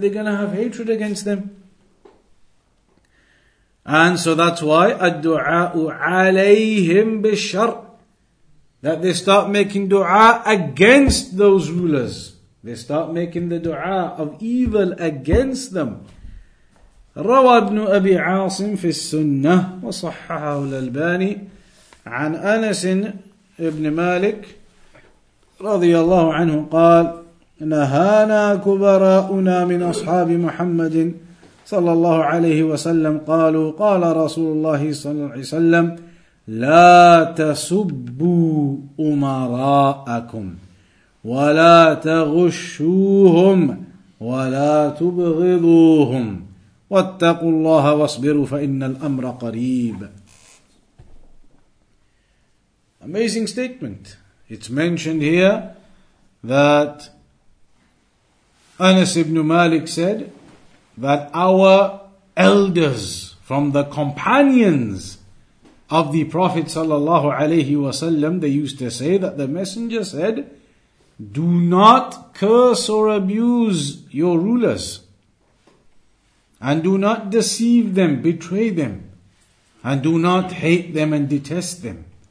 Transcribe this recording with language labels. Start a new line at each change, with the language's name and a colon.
English: They're going to have hatred against them. And so that's why,
Arabic: الدُّعَاءُ عَلَيْهِمْ بِالشَّرْءِ,
English: that they start making dua against those rulers. They start making the dua of evil against them.
Arabic: رَوَى ابْنُ أَبِي عَاصِمْ فِي السُّنَّةِ وَصَحَّحَهُ الْأَلْبَانِي عَنْ أَنَسٍ ابْنِ مَالِكِ رَضِيَ اللَّهُ عَنْهُ قَالَ نهانا كبراؤنا من أصحاب محمد صلى الله عليه وسلم قالوا قال رسول الله صلى الله عليه وسلم لا تسبوا أمراءكم ولا تغشوهم ولا تبغضوهم واتقوا الله واصبروا فإن الأمر قريب.
English: Amazing statement. It's mentioned here that Anas ibn Malik said that our elders from the companions of the Prophet sallallahu alaihi wasallam, they used to say that the Messenger said, do not curse or abuse your rulers, and do not deceive them, betray them, and do not hate them and detest them.